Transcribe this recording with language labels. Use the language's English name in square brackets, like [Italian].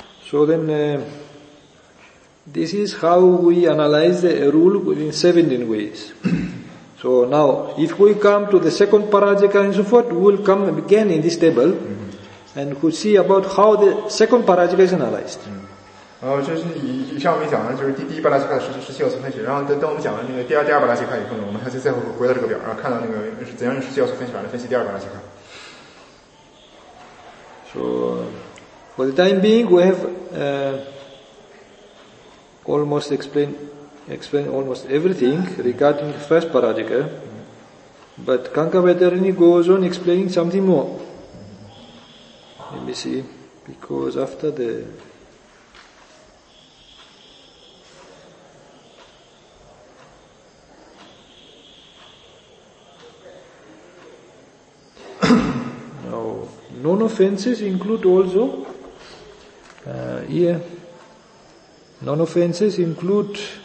[English] So then, this is how we analyze a rule within 17 ways. So now, if we come to the second parajika and so forth, we'll come again in this table, and we'll see about how the second parajika is analyzed. [Chinese] 就是以上我们讲的就是第一巴拉奇卡十七要素分析，然后等我们讲了那个第二巴拉奇卡以后呢，我们还是再回到这个表，然后看到那个是怎样用十七要素分析法来分析第二巴拉奇卡。 [English] So for the time being, we have almost explained almost everything regarding the first巴拉奇卡。 But Kanka Vaidarani goes on explaining something more. Let me see, because after the now, non offenses include also non offenses include